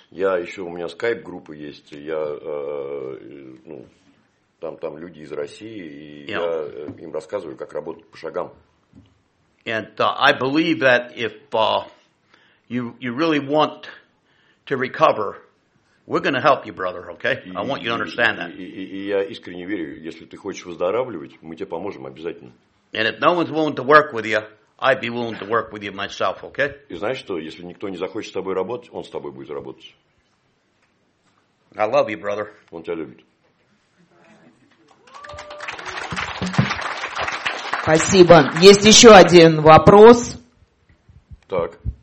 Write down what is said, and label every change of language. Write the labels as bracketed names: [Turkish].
[Russian] Я еще, у меня Skype группа есть. Я ну там люди из России, и я им рассказываю, как работать по шагам. [English] And I believe that if you really want to recover, we're going to help you, brother, okay? I want you to understand that. [Russian] И я искренне верю, если ты хочешь выздоравливать, мы тебе поможем обязательно. [English] And if no one's willing to work with you, I'd be willing to work with you myself, okay? [Russian] И знаешь что, если никто не захочет с тобой работать, он с тобой будет работать. [English] I love you, brother. [Russian] Он тебя любит. Спасибо. Есть еще один вопрос. Так.